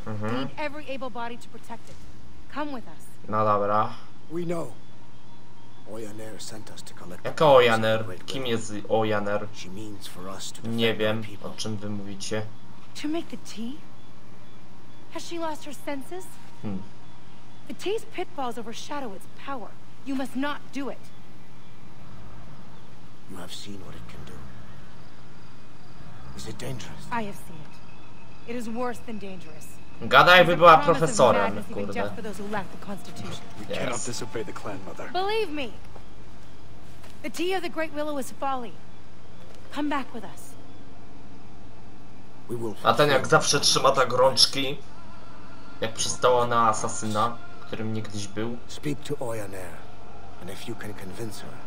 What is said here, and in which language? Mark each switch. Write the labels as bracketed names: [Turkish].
[English] Need every able body to protect it. Come with us. [Polish] No dobra. [English] We know. Oyaner sent us to collect. [Polish] Jaka Oyaner? Kim jest Oyaner? Nie wiem, o czym wy mówicie. [English] To make the tea? Has she lost her senses? The tea's pitfalls overshadow its power. You must not do it. You have seen what it can do. Is it dangerous? I have seen it. It is worse than dangerous. [Polish] Gadaj, by była profesorem, kurde. [English] Yes. Believe me. The tea of the Great Willow is folly. Come back with us. [Polish] A ten jak zawsze trzyma tak rączki, jak przystała na asasyna, którym niegdyś był. [English] Speak to Oyaner, and if you can convince her.